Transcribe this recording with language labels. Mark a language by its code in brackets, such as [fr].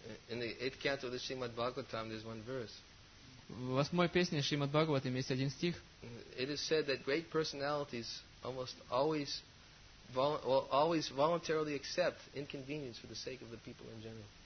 [en] In the eighth canto of the Srimad Bhagavatam, there's one verse. [ru] В восьмой песне Шримад Бхагаватам есть один стих. [en] It is said that great personalities almost always always voluntarily accept inconvenience for the sake of the people in general.